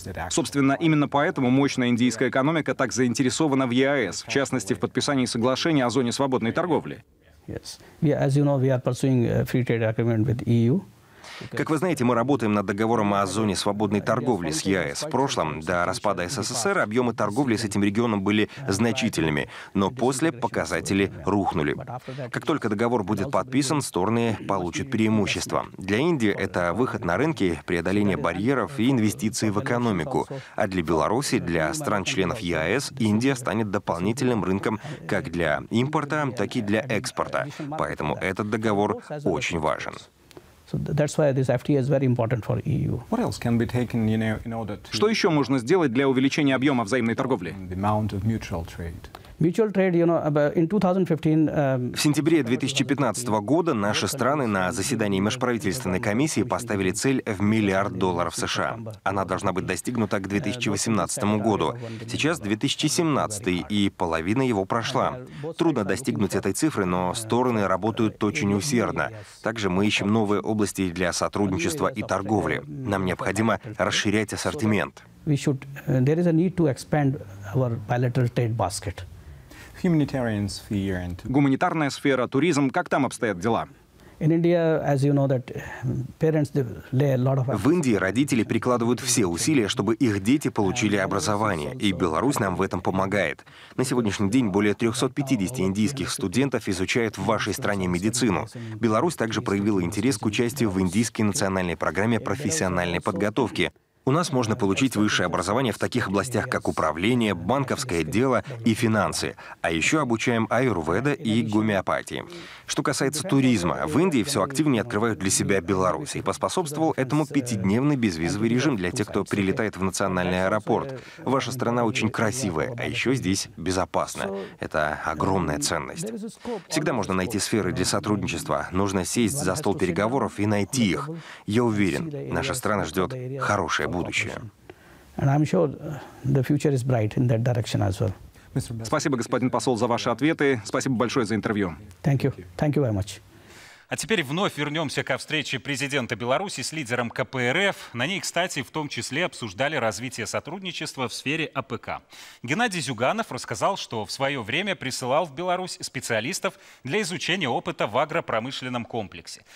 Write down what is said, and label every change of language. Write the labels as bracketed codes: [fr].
[ru] Собственно, именно поэтому мощная индийская экономика так заинтересована в ЕАЭС, в частности, в подписании соглашения о зоне свободной торговли. [en] Yes. We, as you know, we are pursuing a free trade agreement with EU. [ru] Как вы знаете, мы работаем над договором о зоне свободной торговли с ЕАЭС. В прошлом, до распада СССР, объемы торговли с этим регионом были значительными, но после показатели рухнули. Как только договор будет подписан, стороны получат преимущество. Для Индии это выход на рынки, преодоление барьеров и инвестиции в экономику. А для Беларуси, для стран-членов ЕАЭС, Индия станет дополнительным рынком как для импорта, так и для экспорта. Поэтому этот договор очень важен. [en] So that's why this FTA is very important for EU. What else can be taken, you know, in order to... [ru] Что еще можно сделать для увеличения объема взаимной торговли? [en] The amount of mutual trade. Mutual trade, you know, in 2015, [ru] в сентябре 2015 года наши страны на заседании межправительственной комиссии поставили цель в миллиард долларов США. Она должна быть достигнута к 2018 году. Сейчас 2017, и половина его прошла. Трудно достигнуть этой цифры, но стороны работают очень усердно. Также мы ищем новые области для сотрудничества и торговли. Нам необходимо расширять ассортимент. [en] There is a need to expand our bilateral trade basket. [ru] Гуманитарная сфера, туризм, как там обстоят дела? В Индии родители прикладывают все усилия, чтобы их дети получили образование, и Беларусь нам в этом помогает. На сегодняшний день более 350 индийских студентов изучают в вашей стране медицину. Беларусь также проявила интерес к участию в индийской национальной программе профессиональной подготовки. У нас можно получить высшее образование в таких областях, как управление, банковское дело и финансы. А еще обучаем аюрведа и гомеопатии. Что касается туризма, в Индии все активнее открывают для себя Беларусь. И поспособствовал этому пятидневный безвизовый режим для тех, кто прилетает в национальный аэропорт. Ваша страна очень красивая, а еще здесь безопасно. Это огромная ценность. Всегда можно найти сферы для сотрудничества. Нужно сесть за стол переговоров и найти их. Я уверен, наша страна ждет хорошее будущее. [en] And I'm sure the future is bright in that direction as well. [ru] Спасибо, господин посол, за ваши ответы. Спасибо большое за интервью. [en] Thank you. Thank you very much. [ru] А теперь вновь вернемся ко встрече президента Беларуси с лидером КПРФ. На ней, кстати, в том числе обсуждали развитие сотрудничества в сфере АПК. Геннадий Зюганов рассказал, что в свое время присылал в Беларусь специалистов для изучения опыта в агропромышленном комплексе.